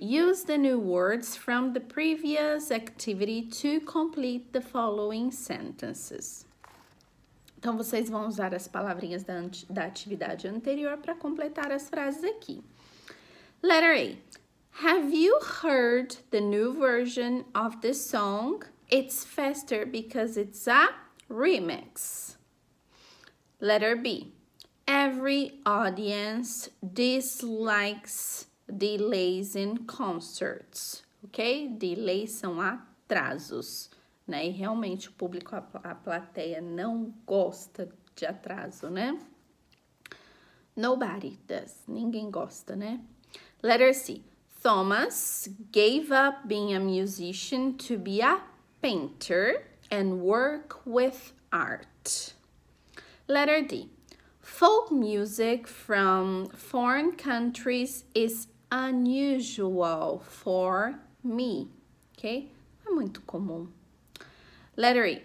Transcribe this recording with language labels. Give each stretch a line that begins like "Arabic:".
English: Use the new words from the previous activity to complete the following sentences.
Portuguese: Então, vocês vão usar as palavrinhas da atividade anterior para completar as frases aqui.
English: Letter A. Have you heard the new version of this song? It's faster because it's a remix. Letter B. Every audience dislikes delays in concerts. Ok?
Portuguese: Delays são atrasos. Né? E realmente o público, a plateia, não gosta de atraso, né?
English: Nobody does.
Portuguese: Ninguém gosta, né?
English: Letter C. Thomas gave up being a musician to be a painter and work with art. Letter D. Folk music from foreign countries is unusual for me. Ok? Não é muito comum. Letter E.